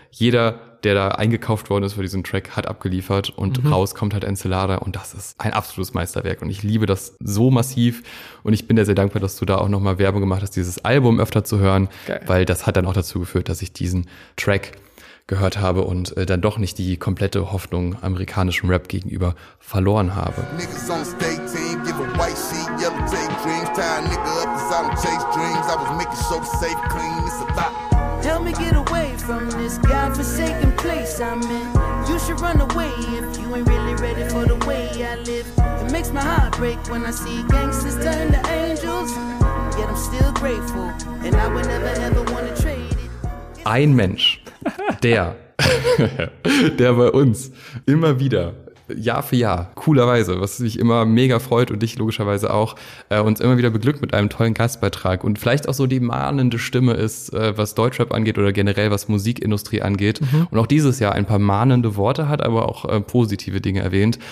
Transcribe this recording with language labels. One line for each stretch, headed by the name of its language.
German: Jeder, der da eingekauft worden ist für diesen Track, hat abgeliefert und raus kommt halt Encelada und das ist ein absolutes Meisterwerk und ich liebe das so massiv und ich bin dir sehr dankbar, dass du da auch nochmal Werbung gemacht hast, dieses Album öfter zu hören, weil das hat dann auch dazu geführt, dass ich diesen Track gehört habe und dann doch nicht die komplette Hoffnung amerikanischem Rap gegenüber verloren habe.
English: Niggas on stage. White sheet, yellow tape, dreams, tie a nigga up inside them chase dreams. I was making so safe, clean, it's a lot. Tell me get away from this godforsaken place I'm in. You should run away if you ain't really ready for the way I live. It makes my heart break when I see gangsters turn to angels. Yet I'm still grateful and I would never ever want to trade it.
German: Ein Mensch, der bei uns immer wieder Jahr für Jahr, coolerweise, was mich immer mega freut und dich logischerweise auch, uns immer wieder beglückt mit einem tollen Gastbeitrag und vielleicht auch so die mahnende Stimme ist, was Deutschrap angeht oder generell was Musikindustrie angeht und auch dieses Jahr ein paar mahnende Worte hat, aber auch positive Dinge erwähnt.